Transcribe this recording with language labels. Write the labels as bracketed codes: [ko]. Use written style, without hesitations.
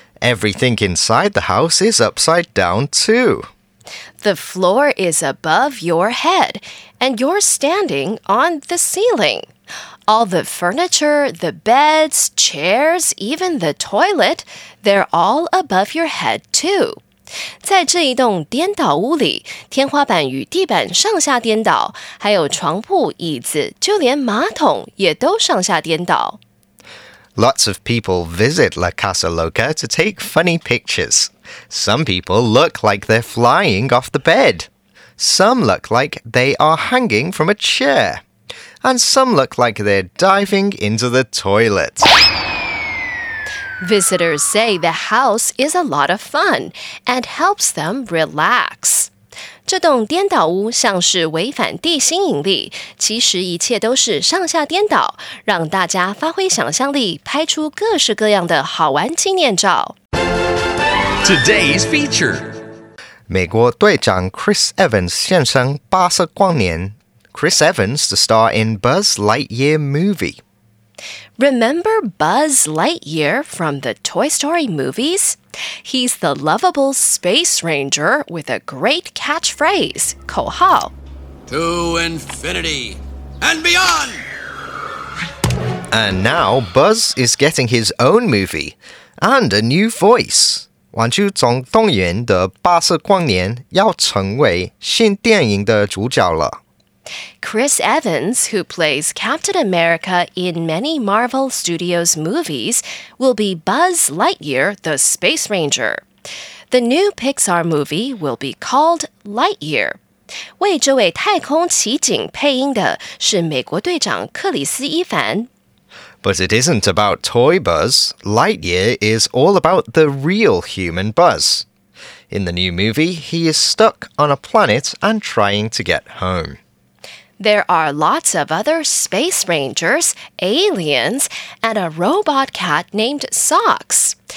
[en] Everything inside the house is upside down too. The floor is above your head, and you're standing on the ceiling. All the furniture, the beds, chairs, even the toilet, they're all above your head too. [zh] 在这一栋颠倒屋里，天花板与地板上下颠倒，还有床铺、椅子，就连马桶也都上下颠倒。 [en] Lots of people visit La Casa Loca to take funny pictures. Some people look like they're flying off the bed. Some look like they are hanging from a chair. And some look like they're diving into the toilet. Visitors say the house is a lot of fun and helps them relax. [zh] 这栋颠倒屋像是违反地心引力，其实一切都是上下颠倒，让大家发挥想象力，拍出各式各样的好玩纪念照。 [en] Today's feature. [zh] 美国队长 Chris Evans 现身巴斯光年。 [en] Chris Evans to star in Buzz Lightyear movie. Remember Buzz Lightyear from the Toy Story movies? He's the lovable space ranger with a great catchphrase, [zh] 口号。 [en] to infinity and beyond! And now Buzz is getting his own movie and a new voice. [zh] 玩具总动员的80光年要成为新电影的主角了。 [en] Chris Evans, who plays Captain America in many Marvel Studios movies, will be Buzz Lightyear, the Space Ranger. The new Pixar movie will be called Lightyear. [zh] 为这位太空奇景配音的是美国队长克里斯·伊凡。 [en] But it isn't about toy Buzz. Lightyear is all about the real human Buzz. In the new movie, he is stuck on a planet and trying to get home. There are lots of other space rangers, aliens, and a robot cat named Sox.